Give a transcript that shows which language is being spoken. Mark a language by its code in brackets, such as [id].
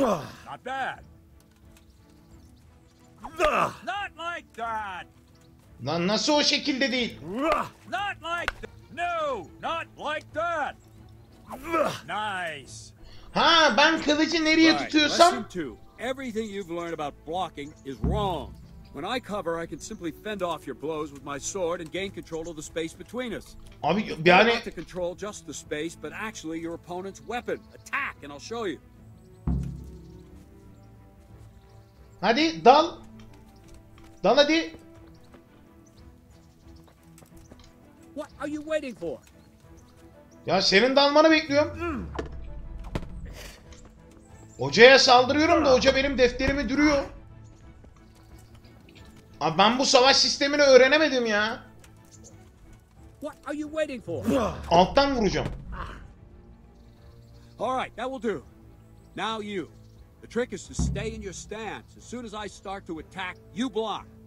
[en] Not bad. Not like that. [tr] Lan nasıl o şekilde değil? [en] Not like that. No, not like that. Nice. [tr] Ha, ben kılıcı nereye tutuyorsam? [en] Everything you've learned about blocking is wrong. When I cover, I can simply fend off your blows with my sword and gain control of the space between us. [tr] Abi yani [en] not to control just the space, but actually your opponent's weapon. Attack and I'll show you. [tr] Hadi dal. Dal hadi. [en] What are you waiting for? [tr] Ya senin dalmanı bekliyorum. Hocaya saldırıyorum da hoca benim defterimi duruyor. Abi ben bu savaş sistemini öğrenemedim ya. [en] What are you waiting for? [tr] Alttan vuracağım. [en] All right, that will do. Now you. The trick is to stay in your stance. As soon as I start to attack, you block.